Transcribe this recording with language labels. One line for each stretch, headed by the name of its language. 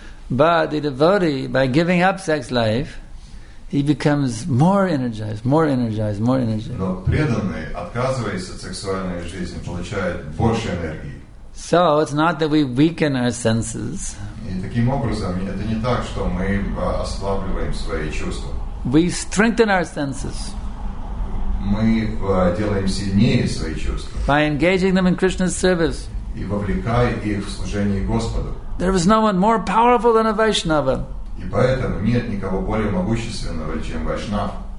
English: But the devotee, by giving up sex life, he becomes more energized.
Russian: Но преданный, отказываясь от сексуальной жизни, получает больше энергии.
English: So it's not that we weaken our senses.
Russian: И таким образом, это не так, что мы ослабливаем свои чувства.
English: We strengthen our senses.
Russian: Мы делаем сильнее свои чувства.
English: By engaging them in Krishna's service.
Russian: И вовлекая их в служение Господу.
English: There is no one more powerful than a Vaishnava.
Russian: И поэтому нет никого более могущественного, чем Вайшнав.